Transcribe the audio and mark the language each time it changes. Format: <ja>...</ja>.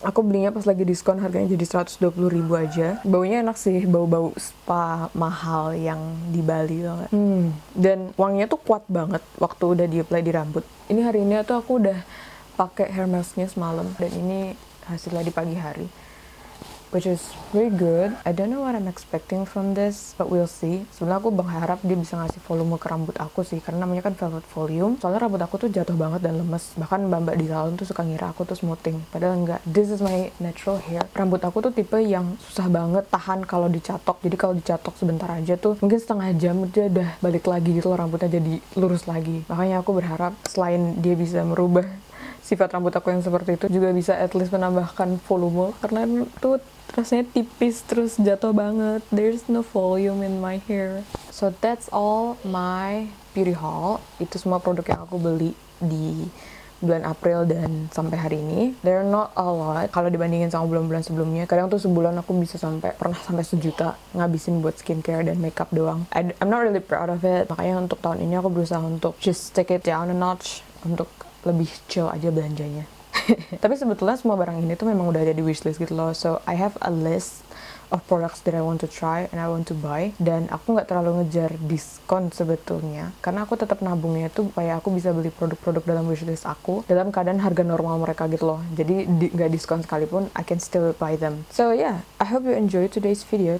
<id>Aku belinya pas lagi diskon, harganya jadi 120 ribu aja. Baunya enak sih, bau-bau spa mahal yang di Bali banget. Dan wanginya tuh kuat banget waktu udah di apply di rambut. Ini hari ini tuh aku udah pakai hair masknya semalam, dan ini hasilnya di pagi hari,</id> <en>which is very good. I don't know what I'm expecting from this, but we'll see.</en> <id>Sebenarnya aku berharap dia bisa ngasih volume ke rambut aku sih, karena namanya kan velvet volume. Soalnya rambut aku tuh jatuh banget dan lemes. Bahkan mbak-mbak di salon tuh suka ngira aku tuh smoothing, padahal enggak.</id> <en>This is my natural hair.</en> <id>Rambut aku tuh tipe yang susah banget tahan kalau dicatok. Jadi kalau dicatok sebentar aja tuh, mungkin setengah jam dia udah balik lagi gitu loh, rambutnya jadi lurus lagi. Makanya aku berharap selain dia bisa merubah sifat rambut aku yang seperti itu, juga bisa at least menambahkan volume, karena itu rasanya tipis terus jatuh banget.</id> <en>There's no volume in my hair. So that's all my beauty haul.</en> <id>Itu semua produk yang aku beli di bulan April dan sampai hari ini.</id> <en>They're not a lot</en> <id>kalau dibandingin sama bulan-bulan sebelumnya. Kadang tuh sebulan aku bisa sampai pernah sampai 1 juta ngabisin buat skincare dan makeup doang.</id> <en>I'm not really proud of it.</en> <id>Makanya untuk tahun ini aku berusaha untuk</id> <en>just take it down a notch,</en> <id>untuk lebih chill aja belanjanya. Tapi sebetulnya semua barang ini tuh memang udah ada di wishlist gitu loh.</id> <en>So I have a list of products that I want to try and I want to buy.</en> <id>Dan aku gak terlalu ngejar diskon sebetulnya, karena aku tetap nabungnya tuh supaya aku bisa beli produk-produk dalam wishlist aku dalam keadaan harga normal mereka gitu loh. Jadi gak diskon sekalipun,</id> <en>I can still buy them. So yeah, I hope you enjoy today's video.</en>